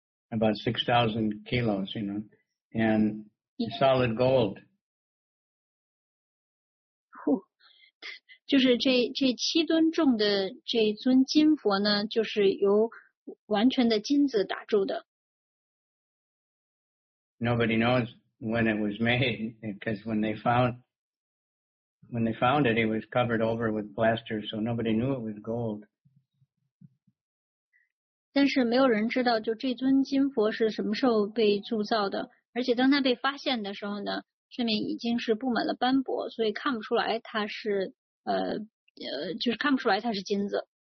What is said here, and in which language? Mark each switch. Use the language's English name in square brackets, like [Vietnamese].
[English] About 6,000 kilos, you know, and solid gold. [Chinese] 就是这七吨重的这尊金佛呢，就是由完全的金子打铸的。 [English] Nobody knows when it was made, because when they found it, it was covered over with plaster, so nobody knew it was gold. [Chinese] 但是没有人知道，就这尊金佛是什么时候被铸造的。而且当它被发现的时候呢，上面已经是布满了斑驳，所以看不出来它是就是看不出来它是金子。